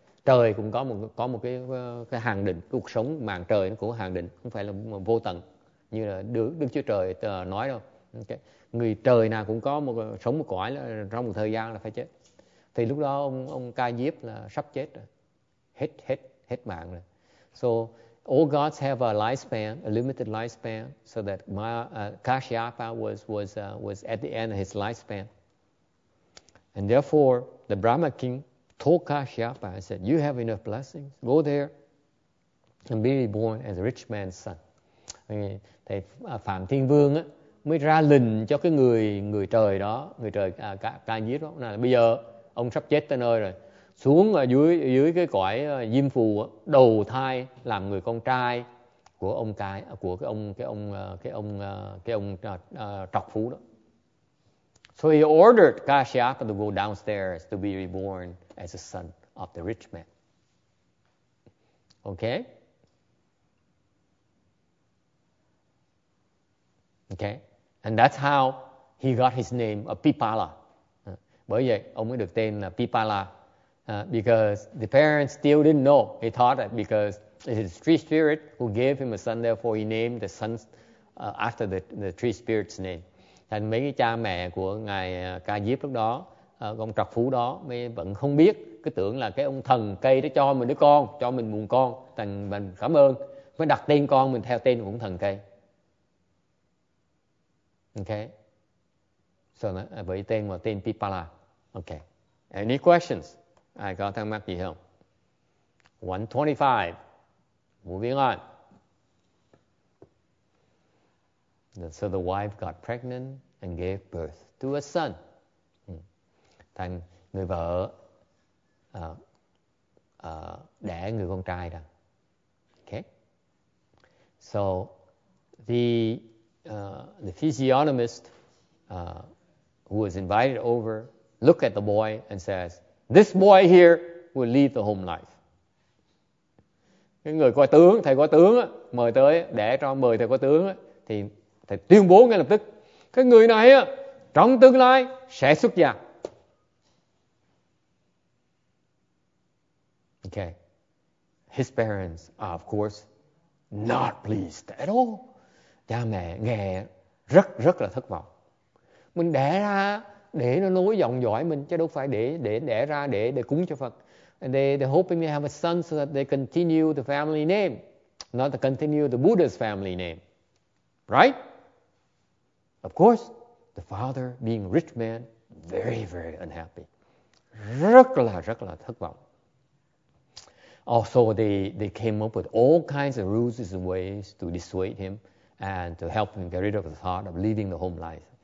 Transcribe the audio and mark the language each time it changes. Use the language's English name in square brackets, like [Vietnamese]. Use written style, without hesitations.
[Vietnamese] trời cũng có một cái hạn định, cuộc sống màn trời nó cũng hạn định, không phải là vô tận như là Đức Chúa Trời nói đâu. Okay. Người trời nào cũng có một sống một cõi, trong một thời gian là phải chết. Thì lúc đó ông Ca Diếp là sắp chết rồi, hết mạng rồi. [English] So all gods have a lifespan, a limited lifespan, so that Kashyapa was at the end of his lifespan. And therefore, the Brahma king told Kashyapa, I said, you have enough blessings, go there and be reborn as a rich man's son. [Vietnamese] Thầy Phạm Thiên Vương á, mới ra lệnh cho cái người trời đó, người trời Ca Diếp đó, là bây giờ ông sắp chết tới nơi rồi, xuống ở dưới cái cõi Diêm Phù đầu thai làm người con trai của ông cái của cái ông trọc phú đó. [English] So he ordered Kashyapa to go downstairs to be reborn as a son of the rich man. Okay. And that's how he got his name of Pipala. [Vietnamese] Bởi vậy ông mới được tên là Pipala. [English] Because the parents still didn't know. They thought that because it is tree spirit who gave him a son, therefore he named the son after the tree spirit's name. [Vietnamese] Thành mấy cái cha mẹ của ngài Ca Diếp lúc đó, con trọc phú đó, mới vẫn không biết, cứ tưởng là cái ông thần cây đó cho mình đứa con, cho mình buồn con, thành mình cảm ơn, mới đặt tên con mình theo tên của ông thần cây. [English] Okay. So [Vietnamese] với tên Pipala. [English] Okay. Any questions? [Vietnamese] Ai có thắc mắc gì không? 125. [English] Moving on. So the wife got pregnant and gave birth to a son. [Vietnamese] Thành người vợ đẻ người con trai ra. [English] Okay. So the physiognomist who was invited over looked at the boy and says, this boy here will lead the home life. [Vietnamese] Cái người coi tướng, thầy coi tướng á, mời tới để cho mời thầy coi tướng á, thì thầy tuyên bố ngay lập tức, cái người này á, trong tương lai sẽ xuất gia. [English] Okay. His parents are of course not pleased at all. [Vietnamese] Cha mẹ nghe rất rất là thất vọng. Mình đẻ ra để nó nối dòng dõi mình, chứ đâu phải để đẻ ra để cúng cho Phật. [English] And they're hoping they have a son so that they continue the family name, not to continue the Buddha's family name. Right? Of course, the father, being a rich man, very, very unhappy. [Vietnamese] Rất là thất vọng. [English] Also, they came up with all kinds of ruses and ways to dissuade him and to help him get rid of the thought of leaving the home life.